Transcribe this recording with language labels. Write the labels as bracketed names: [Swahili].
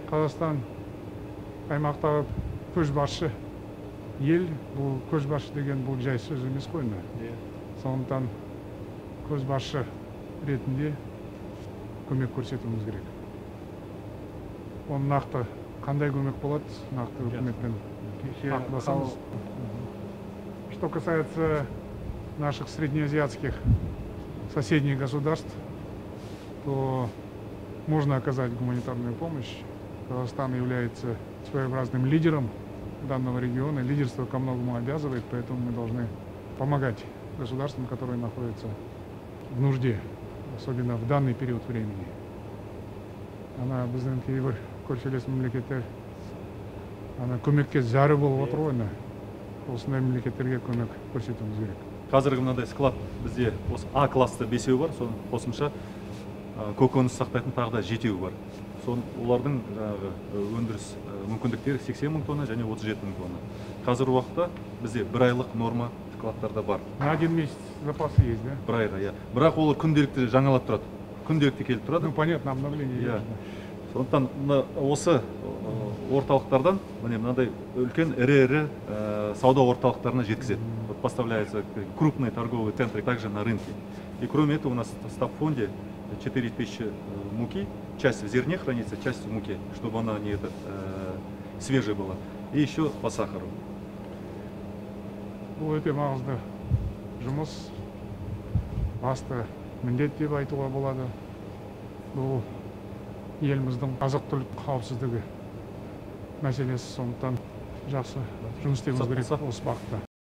[Kazakh] Қазақстан аймақтағы көшбасшы ел, бұл көшбасшы деген бұл жай сөз емес қой. Иә. Сондықтан көшбасшы ретінде көмек көрсетуіміз керек. Оның нақты қандай көмек болады, нақты үкіметпен ақылдасамыз. [Russian] Что касается наших среднеазиатских соседних государств, то можно оказать гуманитарную помощь. Казахстан является своеобразным лидером данного региона. Лидерство ко многому обязывает, поэтому мы должны помогать государствам, которые находятся в нужде, особенно в данный период времени. [Kazakh] Она біздің кейбір көршілес мемлекеттер, ана көмекке зәрі болып отыр ғой, мына осындай мемлекеттерге көмек көрсетуіміз керек. Қазіргі мынадай склад бізде осы А класты бесеуі бар, соның қосымша көкөніс сақтайтын тағы да жетеуі бар. Сон олардың жаңағы өндіріс мүмкіндіктері 80 мың тонна және 37 мың тонна. Қазіргі уақытта бізде бір айлық норма складтарда бар. [Russian] На один месяц запасы есть, да? [Kazakh] Бір айда, иә. Бірақ олар күнделікті жаңалап тұрады. Күнделікті келіп тұрады. [Russian] Ну, понятно, обновление. Yeah. [Kazakh] Сондықтан осы орталықтардан міне мынандай үлкен ірі-ірі сауда орталықтарына жеткізеді. [Russian] Вот поставляется крупный торговый центр также на рынке. И кроме этого у нас в стабфонде 4000 муки, часть в зерне хранится, часть в муке, чтобы она не эта свежая была. И еще по сахару. [Kazakh] Бұл өте маңызды жұмыс, басты міндет деп айтуға болады. Бұл еліміздің азық-түлік қауіпсіздігі мәселесі, сондықтан жақсы жұмыс істеуіміз керек осы бағытта.